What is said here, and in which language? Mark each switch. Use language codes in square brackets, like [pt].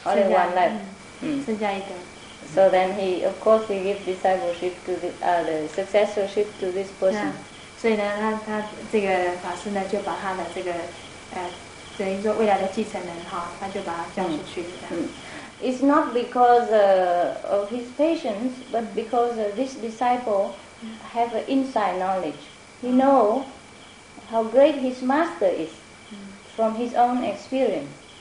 [zh] 到他盖这个第69次的时候啊，其他的那种徒弟都走光了。只有一个，剩下一个。 [en] So then he, of course, he gives discipleship to the successorship to this person. [zh] 所以呢，他这个法师呢，就把他的这个等于说未来的继承人哈，他就把他叫出去。 [en] It's not because of his patience, but because this disciple have an inside knowledge. He know how great his master is from his own experience.